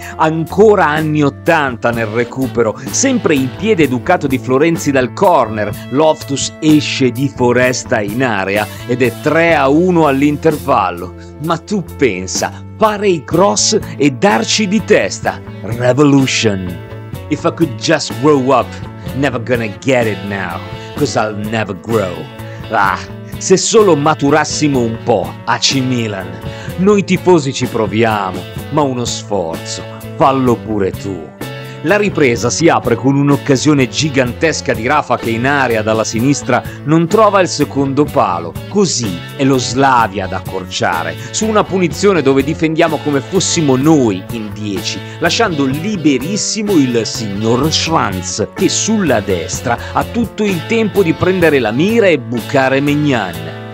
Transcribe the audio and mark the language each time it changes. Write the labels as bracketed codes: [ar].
[it] Ancora anni Ottanta nel recupero, sempre il piede educato di Florenzi dal corner, Loftus esce di foresta in area ed è 3-1 all'intervallo. Ma tu pensa, fare i cross e darci di testa. [en] Revolution. If I could just grow up, never gonna get it now, cause I'll never grow. [it] Ah, se solo maturassimo un po', AC Milan. Noi tifosi ci proviamo, ma uno sforzo, fallo pure tu. La ripresa si apre con un'occasione gigantesca di Rafa che in area dalla sinistra non trova il secondo palo. Così è lo Slavia ad accorciare, su una punizione dove difendiamo come fossimo noi in 10, lasciando liberissimo il signor Schranz, che sulla destra ha tutto il tempo di prendere la mira e bucare Maignan.